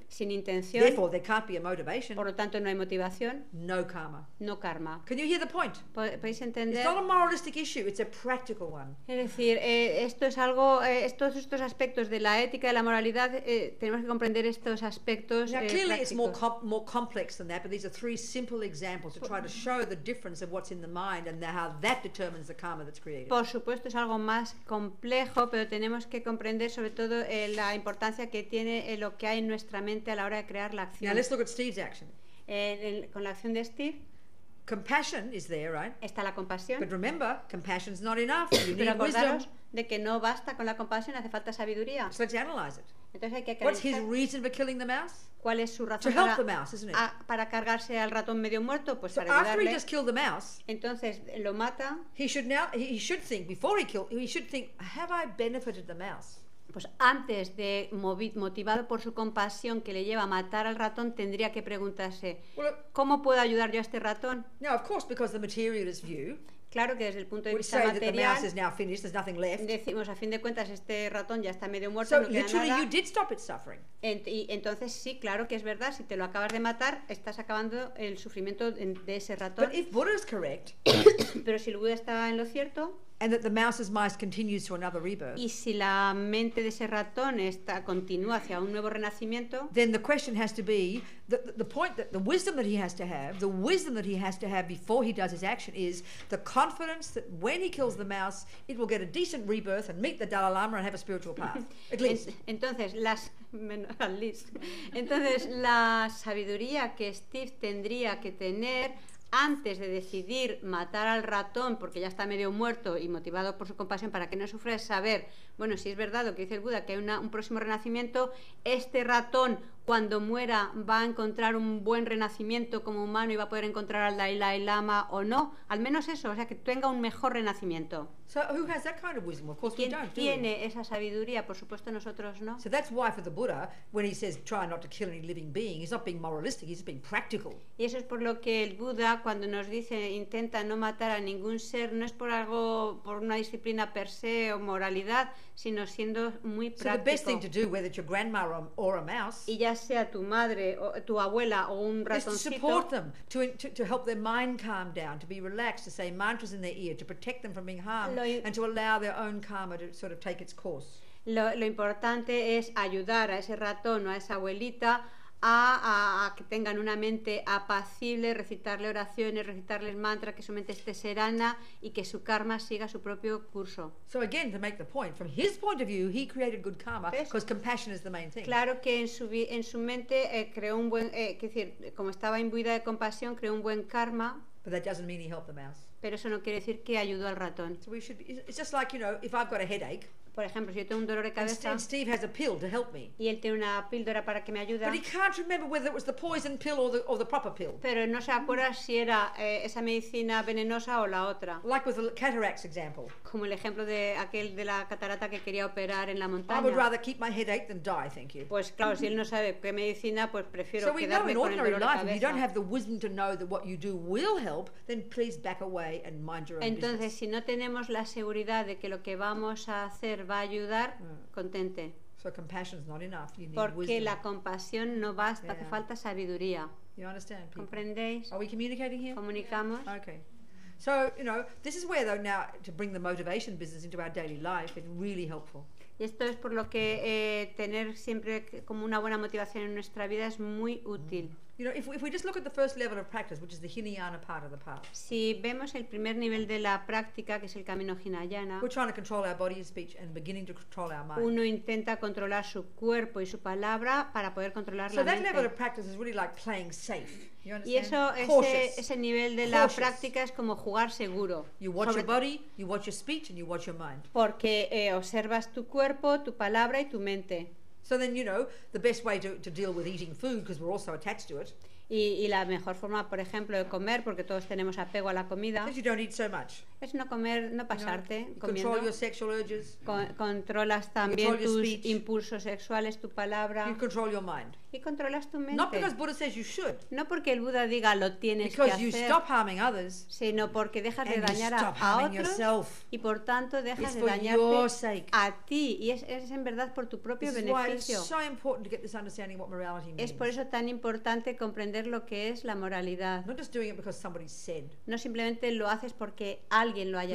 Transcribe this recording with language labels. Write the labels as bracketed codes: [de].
[es] Sin intención. [en] Therefore, there can't be a motivation. [es] Por lo tanto, no hay motivación. [en] No karma. [es] No karma. [en] Can you hear the point? [es] ¿Podéis entender? [en] It's not a moralistic issue. It's a practical one. [es] Es decir, esto es algo. Todos estos aspectos de la ética, de la moralidad, tenemos que comprender estos aspectos. [en] Now, clearly, [es] prácticos. [en] It's more complex than that. But these are three simple examples to try to show the difference of what's in the mind and how that determines the karma that's created. [es] Por supuesto, es algo más complejo, pero tenemos que comprender, sobre todo, la importancia que tiene lo que hay en nuestra mente a la hora de crear la acción. [en] Now let's look at Steve's action. [es] Con la acción de Steve. [en] Compassion is there, right? [es] Está la compasión. [en] But remember, compassion's not enough. You need [es] pero acordaros [en] wisdom. [es] De que no basta con la compasión, hace falta sabiduría. [en] So let's analyze it. [es] Entonces hay que [en] What's his reason for killing the mouse? [es] ¿Cuál es su razón [en] to help the mouse, isn't it? [es] Para cargarse al ratón medio muerto, pues [en] so [es] para ayudarle. [en] After he just killed the mouse, [es] entonces lo mata. [en] He should think have I benefited the mouse? [es] Pues antes de motivado por su compasión que le lleva a matar al ratón, tendría que preguntarse, ¿cómo puedo ayudar yo a este ratón? [en] Now, of course, because the materialist view, [es] claro que desde el punto de vista [en] say [es] material, [en] that the mouse is now finished, there's nothing left. [es] Decimos, a fin de cuentas, este ratón ya está medio muerto, [en] so, [es] no queda [en] literally, [es] nada. [en] You did stop its suffering. [es] Y entonces sí, claro que es verdad, si te lo acabas de matar, estás acabando el sufrimiento de ese ratón. [en] But if Buddha is correct, [es] pero si el Buda está en lo cierto, [en] And that the mouse's mice continues to another rebirth. [es] Y si la mente de ese ratón está continúa hacia un nuevo renacimiento. [en] Then the question has to be the point that the wisdom that he has to have, the wisdom that he has to have before he does his action is the confidence that when he kills the mouse, it will get a decent rebirth and meet the Dalai Lama and have a spiritual path. At least. [es] Entonces, la sabiduría que Steve tendría que tener antes de decidir matar al ratón porque ya está medio muerto y motivado por su compasión para que no sufra, es saber, bueno, si es verdad lo que dice el Buda, que hay un próximo renacimiento, este ratón cuando muera va a encontrar un buen renacimiento como humano y va a poder encontrar al Dalai Lama o no, al menos eso, o sea, que tenga un mejor renacimiento. [en] So who has that kind of wisdom? Of course [es] ¿quién [en] we don't, [es] tiene [en] do we? [es] Esa sabiduría? Por supuesto nosotros no. [en] So that's why for the Buddha, when he says try not to kill any living being, he's not being moralistic, he's being practical. [es] Y eso es por lo que el Buda cuando nos dice intenta no matar a ningún ser, no es por algo, por una disciplina per se o moralidad, sino siendo muy práctico. [en] So the best thing to do, whether it's your grandma or a mouse, [es] y ya sea tu madre o tu abuela o un ratoncito, [en] is to support them, to help their mind calm down, to be relaxed, to say mantras in their ear, to protect them from being harmed. And to allow their own karma to sort of take its course. [es] Lo importante es ayudar a ese ratón o a esa abuelita a que tengan una mente apacible, recitarle oraciones, recitarles mantras, que su mente esté serena y que su karma siga su propio curso. [en] So again, to make the point, from his point of view, he created good karma because compassion is the main thing. [es] Claro que en su mente creó un buen, es decir, como estaba imbuida de compasión, creó un buen karma. [en] But that doesn't mean he helped the mouse. [es] Pero eso no quiere decir que ayudó al ratón. [en] So we should be, it's just like, you know, if I've got a headache. [es] Por ejemplo, si yo tengo un dolor de cabeza. [en] And Steve has a pill to help me. [es] Y él tiene una píldora para que me ayude. [en] But he can't remember whether it was the poison pill or the proper pill. [es] Pero no se acuerda si era esa medicina venenosa o la otra. [en] Like with the cataracts example. [es] Como el ejemplo de aquel de la catarata que quería operar en la montaña. [en] I would rather keep my headache than die, thank you. [es] Pues claro, si él no sabe qué medicina, pues prefiero quedarme con el dolor de cabeza. [en] So we know in ordinary life, if you don't have the wisdom to know that what you do will help, then please back away and mind your own business. [es] Entonces, si no tenemos la seguridad de que lo que vamos a hacer va a ayudar, contente. [en] So compassion is not enough. You need [es] porque [en] wisdom. [es] La compasión no basta, hace falta sabiduría. [en] You understand, people? [es] ¿Comprendéis? [en] Are we communicating here? [es] ¿Comunicamos? [en] Yeah. Okay. So, you know, this is where though now to bring the motivation business into our daily life is really helpful. [es] Y esto es por lo que tener siempre como una buena motivación en nuestra vida es muy útil. [en] You know, if we just look at the first level of practice, which is the Hinayana part of the path. [es] Si vemos el primer nivel de la práctica, que es el camino Hinayana. [en] We're trying to control our body and speech and beginning to control our mind. [es] Uno intenta controlar su cuerpo y su palabra para poder controlar [en] so [es] la mente. [en] So that level of practice is really like playing safe. You understand? [es] Y eso ese nivel de [en] cautious. [es] La práctica es como jugar seguro. [en] You watch your body, you watch your speech and you watch your mind. [es] Porque observas tu cuerpo, tu palabra y tu mente. [en] So then, you know, the best way to deal with eating food, because we're also attached to it. [es] Y la mejor forma, por ejemplo, de comer, porque todos tenemos apego a la comida. [en] Because you don't eat so much. [es] Es no comer, no pasarte, [en] you know, [es] comiendo. [en] Control your sexual urges. [es] Controlas también [en] control [es] tus [en] speech. [es] Impulsos sexuales, tu palabra. [en] You control your mind. [es] Y controlas tu mente. [en] Not because Buddha says you should. [es] No porque el Buda diga lo tienes [en] because [es] que hacer. [en] Because you stop harming others. [es] Sino porque dejas de dañar a otros. [en] Yourself. [es] Y por tanto dejas [en] it's [es] de dañarte [en] for your sake. [es] A ti. Y es en verdad por tu propio [en] this [es] beneficio. [en] Is why it's so important to get this understanding of what morality means. [es] Es por eso tan importante comprender lo que es la moralidad. [en] Not just doing it because somebody said. [es] No simplemente lo haces porque alguien lo haya